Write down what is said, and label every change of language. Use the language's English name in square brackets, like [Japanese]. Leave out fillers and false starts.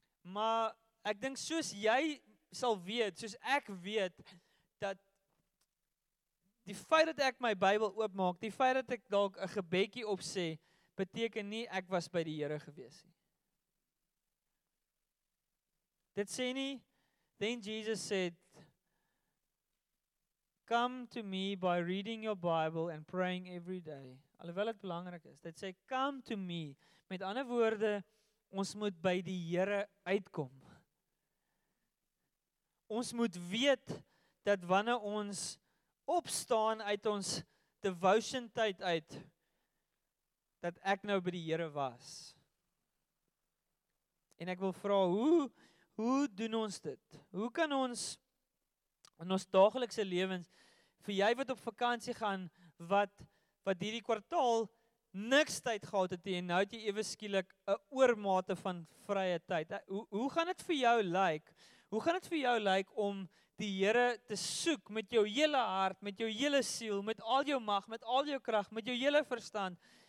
[Afrikaans] maar ek dink soos jy sal weet, soos ek weet, dat die feit dat ek my Bybel oopmaak, die feit dat ek dalk 'n gebedjie opsê, beteken nie ek was by die Here gewees nie. Dit sê nie, [English] then Jesus said, come to me by reading your Bible and praying every day. [Afrikaans] Alhoewel het belangrik is, dit sê, [English] come to me. [Afrikaans] Met ander woorde, ons moet by die Here uitkom. Ons moet weet dat wanneer ons opstaan uit ons devotion tyd uit, dat ek nou by die Here was. En ek wil vra, hoe doen ons dit? Hoe kan ons in ons daaglikse lewens, vir jy wat op vakansie gaan, wat hierdie kwartaal niks tyd gehad het, en nou het jy ewe skielik 'n oormate van vrye tyd. Hoe gaan dit vir jou lyk? Hoe gaan dit vir jou lyk om die Here te soek met jou hele hart, met jou hele siel, met al jou mag, met al jou krag, met jou hele verstand?